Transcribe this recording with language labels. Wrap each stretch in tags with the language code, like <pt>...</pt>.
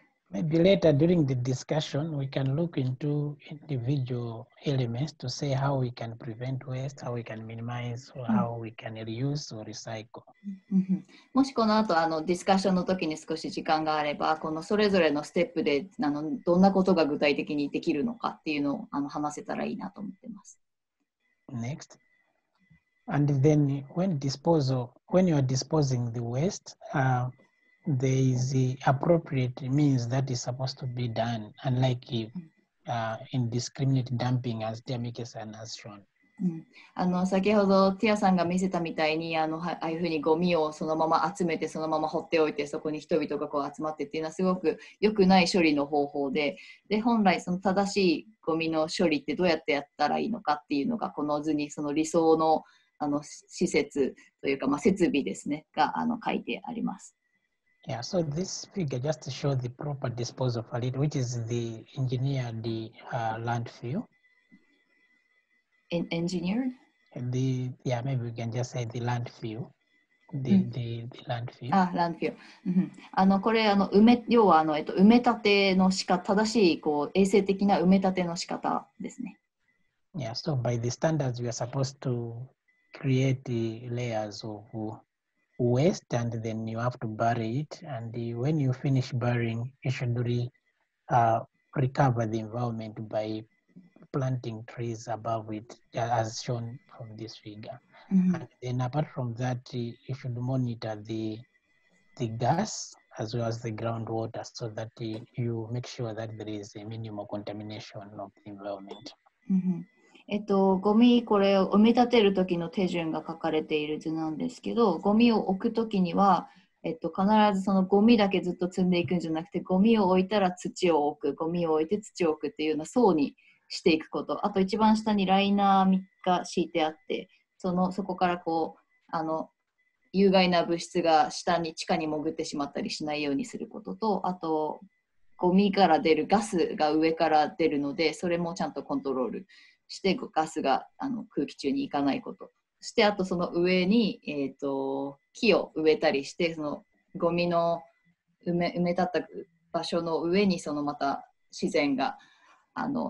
<en>Maybe later during the discussion we can look into individual elements to say how we can prevent waste, how we can minimize, or how we can reuse or recycle.</en> <ja>もしこの後ディスカッションの時に少し時間があれば、このそれぞれのステップでどんなことが具体的にできるのかっていうのを話せたらいいなと思ってます。</ja> <en>Next. And then when you are disposing the waste, there is the appropriate means that is supposed to be done, unlike indiscriminate dumping as Tiamikesan has shown.</en> <ja>先ほどティアさんが見せたみたいに ああいうふうにゴミをそのまま集めてそのまま放っておいてそこに人々がこう集まってっていうのはすごく良くない処理の方法 で本来その正しいゴミの処理ってどうやってやったらいいのかっていうのがこの図にその理想 の施設というか、まあ、設備ですねが書いてあります。</ja> <en>Yeah, so this figure just to show the proper disposal of a lid, which is the engineered landfill Engineered? Maybe we can just say the landfill. The landfill. Ah, landfill.</en> <ja>これ要は埋め立てのしか正しいこう衛生的な埋め立ての仕方ですね。</ja> <en>Yeah, so by the standards, we are supposed to create layers of waste and then you have to bury it. And when you finish burying, you should recover the environment by. Planting trees above it, as shown from this figure. Mm-hmm. And then, apart from that, you should monitor the gas as well as the groundwater so that you make sure that there is a minimal contamination of the environment.</en> <ja>ゴミ、これを埋め立てる時の手順が書かれている図なんですけど、ゴミを置く時には必ずそのゴミだけずっと積んでいくんじゃなくて、ゴミを置いたら土を置く、ゴミを置いて土を置くっていうような層に。していくこと、あと一番下にライナーが敷いてあって、そこからこう有害な物質が下に地下に潜ってしまったりしないようにすることと、あとゴミから出るガスが上から出るので、それもちゃんとコントロールしてガスが空気中に行かないこと、そしてあとその上に木を植えたりして、そのゴミの埋め立った場所の上にそのまた自然があ</ja>